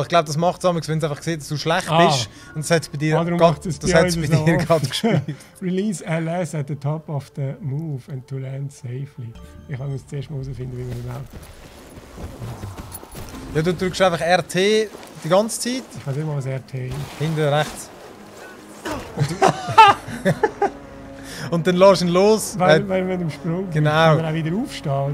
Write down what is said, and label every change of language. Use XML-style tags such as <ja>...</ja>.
<de>Ich glaube, das macht es wenn es einfach sieht, dass du schlecht bist. Und das hat es bei dir gerade gespielt.</de> <en>Release LS at the top of the move and to land safely.</en> <de>Ich muss zuerst mal herausfinden, wie man überhaupt. Ja, du drückst einfach RT die ganze Zeit. Ich weiß immer, was RT ist. Hinten rechts. Und dann lass ihn los. Weil wenn du im Sprung genau. Kann man auch wieder aufstehen.</de>